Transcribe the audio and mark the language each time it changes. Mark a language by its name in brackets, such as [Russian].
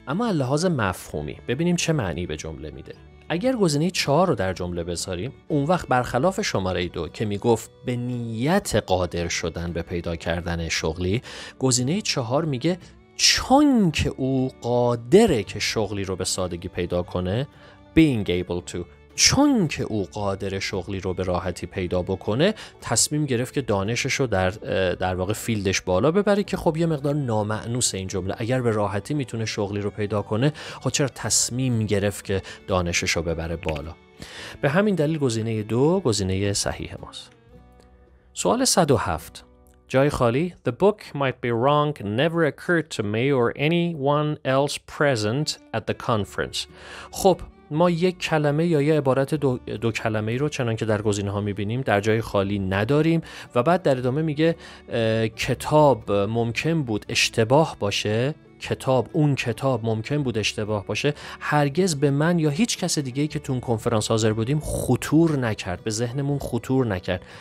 [Persian] اما از لحاظ مفهومی ببینیم چه معنی به جمله میده. اگر گزینه 4 رو در جمله بذاریم، اون وقت برخلاف شماره 2 که میگفت به نیت قادر شدن به پیدا کردن شغلی، گزینه 4 میگه چون که او قادره که شغلی رو به سادگی پیدا کنه، [English] being able to، [Persian] چون که او قادر شغلی رو به راحتی پیدا بکنه، تصمیم گرفت که دانشش رو در واقع فیلدش بالا ببره، که خب یه مقدار نامعنوسه این جمله. اگر به راحتی میتونه شغلی رو پیدا کنه، خب چرا تصمیم گرفت که دانشش رو ببره بالا؟ به همین دلیل گزینه 2 گزینه صحیح ماست. سوال 107، جای خالی. [English] The book might be wrong, never occurred to me or anyone else present at the conference. [Persian] خب ما یک کلمه یا یه عبارت دو کلمه‌ای رو چنان که در گزینه‌ها می‌بینیم در جای خالی نداریم، و بعد در ادامه میگه کتاب ممکن بود اشتباه باشه، اون کتاب ممکن بود اشتباه باشه، هرگز به من یا هیچ کس دیگه‌ای که تو اون کنفرانس حاضر بودیم خطور نکرد، به ذهنمون خطور نکرد.